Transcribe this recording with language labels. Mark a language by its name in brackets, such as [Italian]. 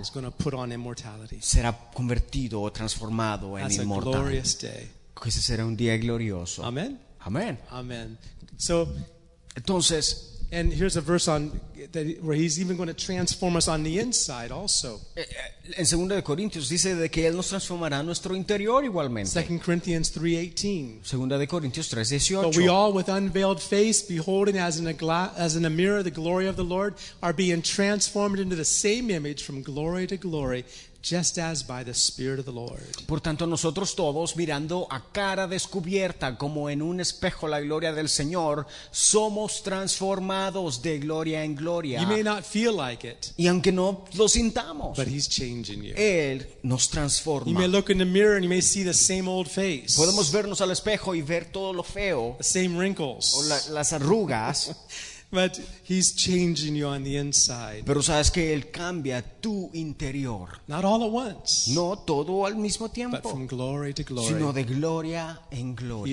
[English] is going to put on immortality. [Spanish] Será convertido o transformado en [English] that's [Spanish] inmortal. [English] A glorious day. [Spanish] Ese será un día glorioso. [English] Amen. [Spanish] Amen. [English] Amen. So, [Spanish] entonces, [English] and here's a verse on that, where he's even going to transform us on the inside also. [Spanish] En 2 Corintios dice de que él nos transformará nuestro interior igualmente. [English] 2 Corinthians 3:18. [Spanish] 2 Corintios 3:18. [English] But we all with unveiled face beholding as in a mirror the glory of the Lord are being transformed into the same image from glory to glory. Just as by the Spirit of the Lord. [Spanish] Por tanto, nosotros todos, mirando a cara descubierta, como en un espejo la gloria del Señor, somos transformados de gloria en gloria. [English] You may not feel like it. [Spanish] Y aunque no lo sintamos. [English] But he's changing you. [Spanish] Él nos transforma. [English] You may look in the mirror and you may see the same old face. [Spanish] Podemos vernos al espejo y ver todo lo feo. [English] The same wrinkles. [Spanish] O las arrugas. [English] But he's changing you on the inside. [Spanish] Pero sabes que él cambia tu interior. [English] Not all at once. [Spanish] No todo al mismo tiempo. [English] But from glory to glory. [Spanish] Sino de gloria en gloria.